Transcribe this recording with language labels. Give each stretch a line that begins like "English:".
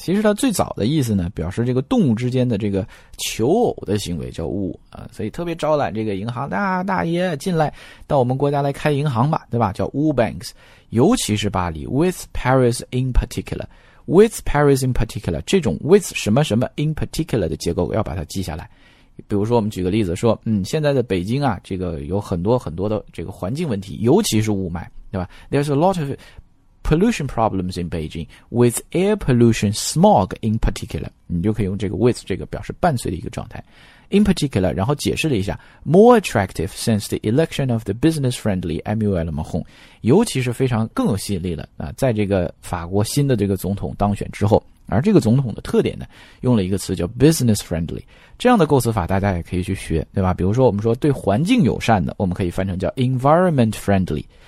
Chinese: 其实它最早的意思呢，表示这个动物之间的这个求偶的行为叫 woo 啊，所以特别招揽这个银行大爷进来到我们国家来开银行吧，对吧？叫
English: woo banks。
Chinese: 尤其是巴黎
English: with Paris in particular
Chinese: 这种 with 什么什么 in particular 的结构要把它记下来。比如说我们举个例子说现在的北京啊，这个有很多很多的这个环境问题，尤其是雾霾，对吧？
English: There's a lot of pollution problems in Beijing with air pollution smog in particular，
Chinese: 你就可以用这个 with 这个表示伴随的一个状态。
English: In particular，
Chinese: 然后解释了一下 ，
English: more attractive since the election of the business-friendly Emmanuel Macron，
Chinese: 尤其是非常更有吸引力了啊，在这个法国新的这个总统当选之后，而这个总统的特点呢，用了一个词叫 business-friendly， 这样的构词法大家也可以去学，对吧？比如说我们说对环境友善的，我们可以翻成叫 environment-friendly。